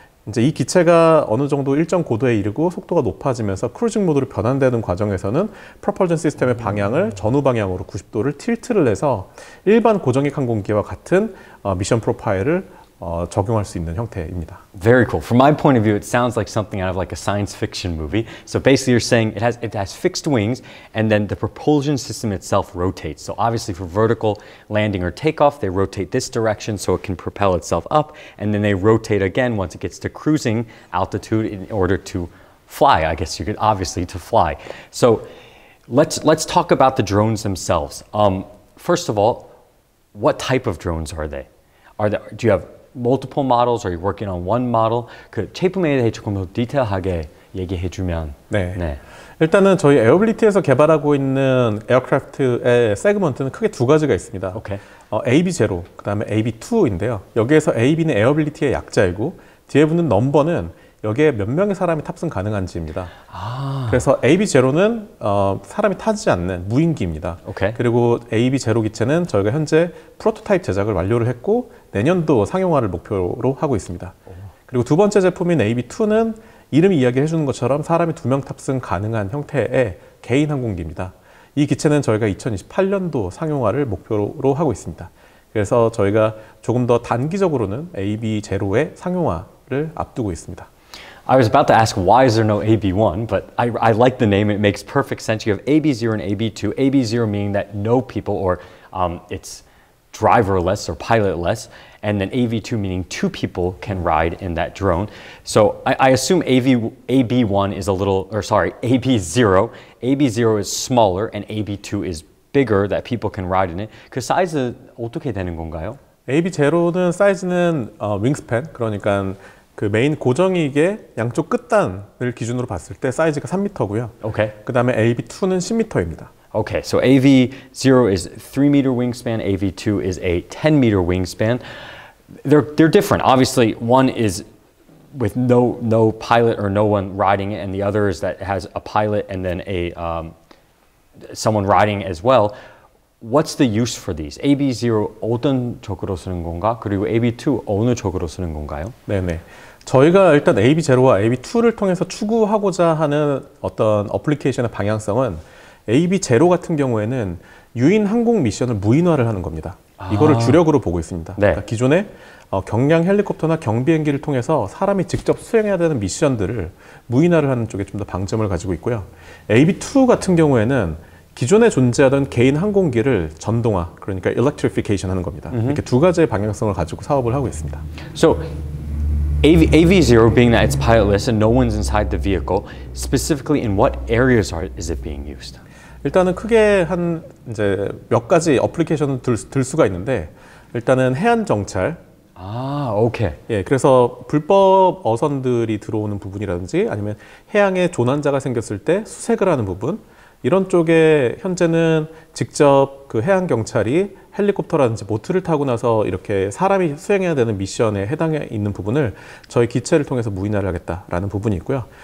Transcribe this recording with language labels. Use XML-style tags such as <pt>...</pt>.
<ko>이제 이 기체가 어느 정도 일정 고도에 이르고 속도가 높아지면서 크루징 모드로 변환되는 과정에서는 프로펄전 시스템의 방향을 전후 방향으로 90도를 틸트를 해서 일반 고정익 항공기와 같은 미션 프로파일을 적용할 수 있는 형태입니다.</ko> <en>Very cool. From my point of view, it sounds like something out of like a science fiction movie. So basically you're saying it has fixed wings and then the propulsion system itself rotates. So obviously for vertical landing or takeoff, they rotate this direction so it can propel itself up and then they rotate again once it gets to cruising altitude in order to fly, I guess you could obviously to fly. So let's talk about the drones themselves. First of all, what type of drones are they? Do you have multiple models? Are you working on one model?</en> <ko>그 제품에 대해 조금 더 디테일하게 얘기해 주면 네. 네. 일단은 저희 에어빌리티에서 개발하고 있는 에어크래프트의 세그먼트는 크게 두 가지가 있습니다. AB0, 그 다음에 AB2인데요. 여기에서 AB는 에어빌리티의 약자이고 뒤에 붙는 넘버는 여기에 몇 명의 사람이 탑승 가능한지입니다. 아. 그래서 AB0는 사람이 타지 않는 무인기입니다. 오케이. 그리고 AB0 기체는 저희가 현재 프로토타입 제작을 완료를 했고 내년도 상용화를 목표로 하고 있습니다. 그리고 두 번째 제품인 AB2는 이름이 이야기해 주는 것처럼 사람이 두 명 탑승 가능한 형태의 개인 항공기입니다. 이 기체는 저희가 2028년도 상용화를 목표로 하고 있습니다. 그래서 저희가 조금 더 단기적으로는 AB0의 상용화를 앞두고 있습니다.</ko> <en>I was about to ask why is there no AB1, but I like the name. It makes perfect sense. You have AB0 and AB2. AB0 meaning that no people or it's driverless or pilotless, and then AV2 meaning two people can ride in that drone. So I assume AB0 is smaller and AB2 is bigger that people can ride in it.</en> <ko>그 사이즈 어떻게 되는 건가요? AB0는 사이즈는 wingspan 그러니까 그 메인 고정익의 양쪽 끝단을 기준으로 봤을 때 사이즈가 3m고요. 오케이. 그다음에 AB2는 10m입니다.</ko> <en>Okay, so AV0 is 3-meter wingspan, AV2 is a 10-meter wingspan. They're different. Obviously, one is with no pilot or no one riding it, and the other is that has a pilot and then a someone riding as well. What's the use for these?</en> <ko>AB0 어떤 쪽으로 쓰는 건가? 그리고 AB2 어느 쪽으로 쓰는 건가요? 네네. 저희가 일단 AB0와 AB2를 통해서 추구하고자 하는 어떤 어플리케이션의 방향성은 AB0 같은 경우에는 유인 항공 미션을 무인화를 하는 겁니다. 이거를 주력으로 보고 있습니다. 네. 그러니까 기존에 경량 헬리콥터나 경비행기를 통해서 사람이 직접 수행해야 되는 미션들을 무인화를 하는 쪽에 좀 더 방점을 가지고 있고요. AB2 같은 경우에는 기존에 존재하던 개인 항공기를 전동화, 그러니까 electrification 하는 겁니다. Mm-hmm. 이렇게 두 가지의 방향성을 가지고 사업을 하고 있습니다.</ko> <en>So, AV0 being that it's pilotless and no one's inside the vehicle, specifically in what areas is it being used?</en> <ko>일단은 크게 한 이제 몇 가지 어플리케이션을 들 수가 있는데 일단은 해안 정찰. 아, 오케이. 예, 그래서 불법 어선들이 들어오는 부분이라든지 아니면 해양에 조난자가 생겼을 때 수색을 하는 부분 이런 쪽에 현재는 직접 그 해안 경찰이 헬리콥터라든지 보트를 타고 나서 이렇게 사람이 수행해야 되는 미션에 해당해 있는 부분을 저희 기체를 통해서 무인화를 하겠다라는 부분이 있고요.</ko>